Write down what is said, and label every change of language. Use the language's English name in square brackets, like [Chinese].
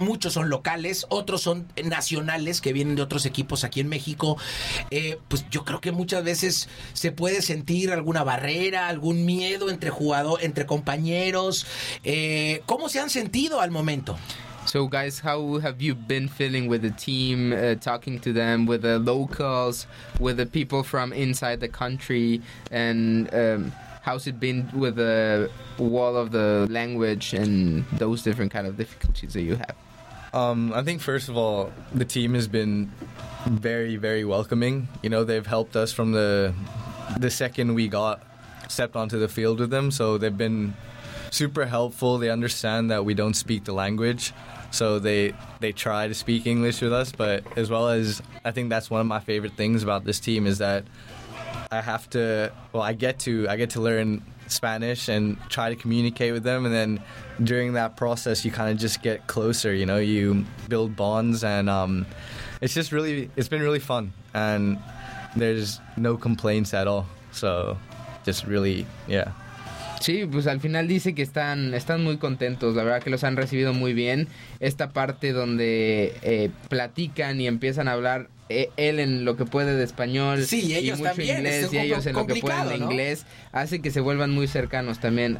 [Spanish] Muchos son locales, otros son nacionales que vienen de otros equipos aquí en México. Pues yo creo que muchas veces se puede sentir alguna barrera, algún miedo entre jugador, entre compañeros. ¿Cómo se han sentido al momento? [English] So guys, how have you been feeling with the team, talking to them, with the locals, with the people from inside the country, and how's it been with the wall of the language and those different kind of difficulties that you have? I think, first of all, the team has been very, very welcoming. You know, they've helped us from the second we stepped onto the field with them. So they've been super helpful. They understand that we don't speak the language. So they try to speak English with us. But as well as, I think that's one of my favorite things about this team is that I get to learn Spanish and try to communicate with them, and then during that process you kind of just get closer, you know, you build bonds, and it's been really fun, and there's no complaints at all, so just really, yeah. [Spanish] Sí, pues al final dice que están muy contentos, la verdad que los han recibido muy bien. Esta parte donde platican y empiezan a hablar, él en lo que puede de español, sí, ellos y mucho también, inglés, y ellos en lo que pueden de inglés, ¿no? Hace que se vuelvan muy cercanos también.